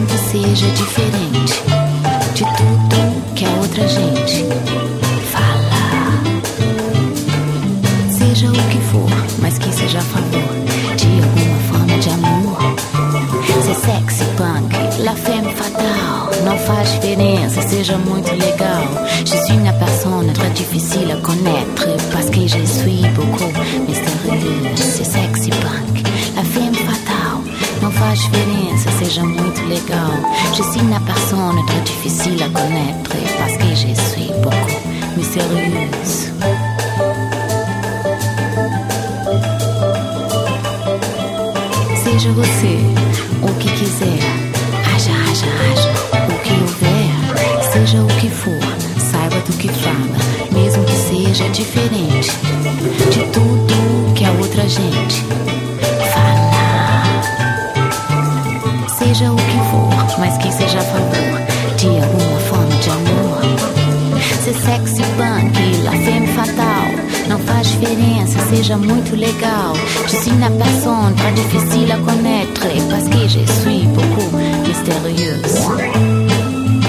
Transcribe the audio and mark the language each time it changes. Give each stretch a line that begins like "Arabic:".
Portuguese: Seja diferente de tudo que a outra gente fala. Seja o que for, mas que seja a favor de alguma forma de amor. Ser sexy, punk, la femme fatale, não faz diferença, seja muito legal.
French: Je suis une personne très difficile à connaître, parce que je suis beaucoup mystérieux.
Portuguese: Ser sexy, punk, la femme fatale, não faz diferença. Seja muito legal.
French: Je suis une personne très difficile à connaître parce que je suis beaucoup mystérieuse.
Portuguese: Seja você o que quiser. Haja, haja, haja. O que houver. Seja o que for. Saiba do que fala. Mesmo que seja diferente de tudo que a outra gente. Seja o que for, mas que seja a favor de alguma forma de amor. Ser sexy, punk, la femme fatale, não faz diferença, seja muito legal.
French: Je suis une personne très difficile à connaître, parce que je suis beaucoup mystérieuse.